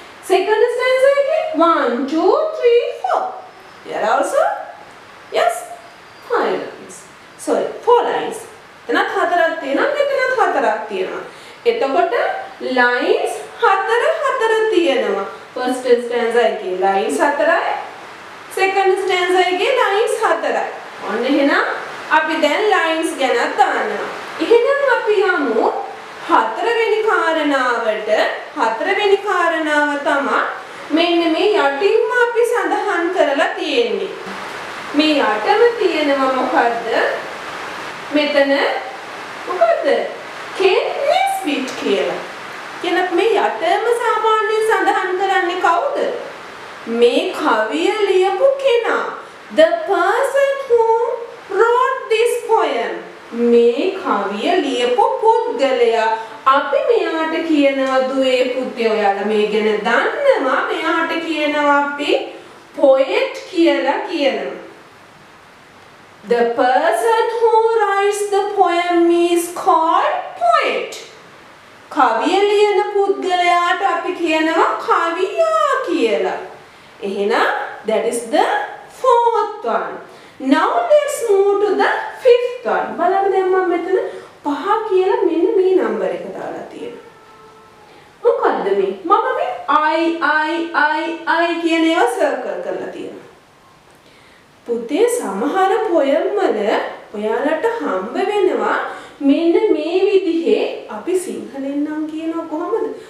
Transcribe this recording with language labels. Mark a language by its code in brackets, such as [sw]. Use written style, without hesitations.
[si] Second stanza එකේ 1 2 3 4. [en] There are also yes 5 lines. Sorry, 4 lines. [si] එතනත් හතරක් තියෙනවා, මෙතනත් හතරක් තියෙනවා. එතකොට lines හතර හතර තියෙනවා. first stanza එකේ lines හතරයි, second stanza එකේ lines හතරයි. ඔන්න එහෙනම් අපි දැන් lines ගැන දානවා. එහෙනම් අපි යමු හතරවෙනි කාරණාවට. හතරවෙනි කාරණාව තමයි මෙන්න මේ යටින්ම අපි සඳහන් කරලා තියෙන්නේ. මේ යටම තියෙනවා මොකද්ද? මෙතන මොකද්ද? කෙන්නස් විට් කියලා. කෙනෙක් මේ යතම සාමාන්‍යයෙන් සඳහන් කරන්නේ කවුද? මේ කවිය ලියපු කෙනා. [en] The person who wrote this poem. [si] මේ කවිය ලියපු පුද්ගලයා. අපි මෙයාට කියනවා දුවේ පුතේ ඔයාලා මේ ගැන දන්නවා මෙයාට කියනවා අපි poet කියලා කියනවා. [en] The person who writes the poem is called poet. [si] කවිය ලියන පුද්ගලයාට අපි කියනවා කවියා කියලා. [en] එහෙනම් that is the fourth one. Now let's move to the fifth one. [si] බලන්න දැන් මම මෙතන පහ කියලා මෙන්න මේ නම්බර් එක දාලා තියෙනවා. මොකද්ද මේ? මම මේ i i i i කියන ඒවා සර්කල් කරලා තියෙනවා. පුතේ සමහර පොයම් වල ඔයාලට හම්බ වෙනවා මෙන්න මේ විදිහේ අපි සිංහලෙන් නම් කියනවා කොහොමද?